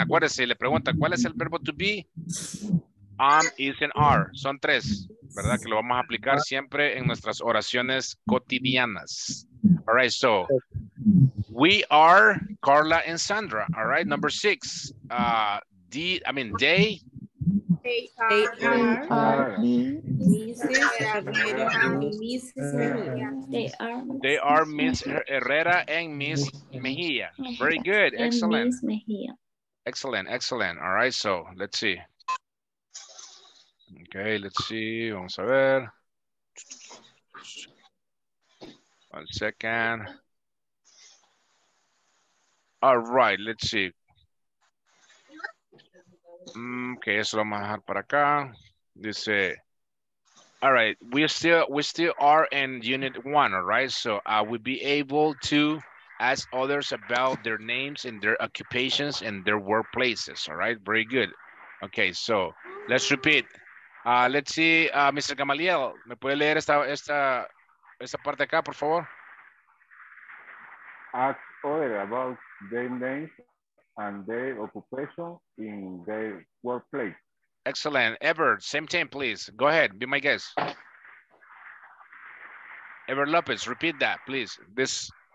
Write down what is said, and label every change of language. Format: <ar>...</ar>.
<es>Acuérdese, le pregunta, ¿cuál es el verbo to be? Am, is, and are. Son tres, ¿verdad? Que lo vamos a aplicar siempre en nuestras oraciones cotidianas.</es> <en>All right, so we are Carla and Sandra. All right, number six. They. They are Miss Herrera and Miss Mejia. Very good. Excellent. Excellent. All right. So let's see. Okay. Let's see.</en> <es>Vamos a ver.</es> <en>One second. All right. Let's see.</en> <es>Okay, eso lo vamos a dejar para acá. Dice,</es> <en>All right, we still are in unit one, all right? So we'll be able to ask others about their names and their occupations and their workplaces, all right? Very good. Okay, so let's repeat. Let's see, Mr.</en> <es>Gamaliel, ¿me puede leer esta parte acá, por favor?</es> <en>Ask others about their names and their occupation in their workplace. Excellent. Ever, same thing, please. Go ahead, be my guest. Ever Lopez, repeat that, please. This.</en>